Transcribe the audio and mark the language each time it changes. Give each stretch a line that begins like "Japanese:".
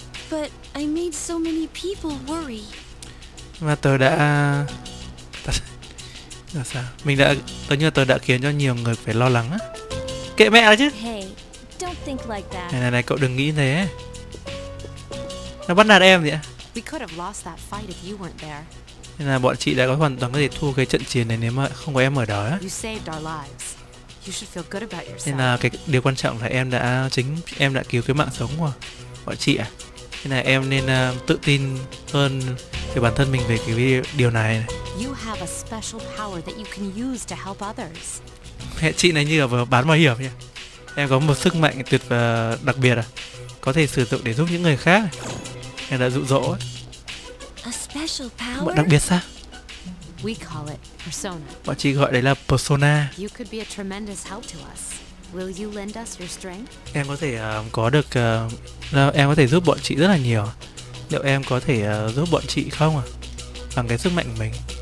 English: But I made so many people worry.
Vietnamese: Mà tớ đã... Là sao? Mình đã... Tớ như là tớ đã khiến cho nhiều người phải lo lắng á. Kệ mẹ đó chứ.
English: Hey, don't think like that.
Vietnamese: Này, cậu đừng nghĩ thế. Nó bắt nạt em vậy.
English: We could have lost that fight if you weren't there.
Vietnamese: Nên là bọn chị đã có hoàn toàn có thể thua cái trận chiến này nếu mà không có em ở đó á.
English: You saved our lives. You should feel good about yourself.
Vietnamese: Nên là cái điều quan trọng là em đã cứu cái mạng sống của bọn chị à. Nên là em nên tự tin hơn về bản thân mình về cái điều này.
English: You have a special power that you can use to help others.
Vietnamese: Mẹ chị này như là vừa bán bảo hiểm nhỉ. Em có một sức mạnh tuyệt đặc biệt à. Có thể sử dụng để giúp những người khác. Em đã dụ dỗ ấy.
English: A special power?
Vietnamese: Bọn đặc biệt sao?
English: We call it persona.
Vietnamese: Bọn chị gọi đấy là persona.
English: You could be a tremendous help to us. Will you lend us your strength?
Vietnamese: Em có thể có được em có thể giúp bọn chị rất là nhiều. Liệu em có thể giúp bọn chị không à? Bằng cái sức mạnh của mình.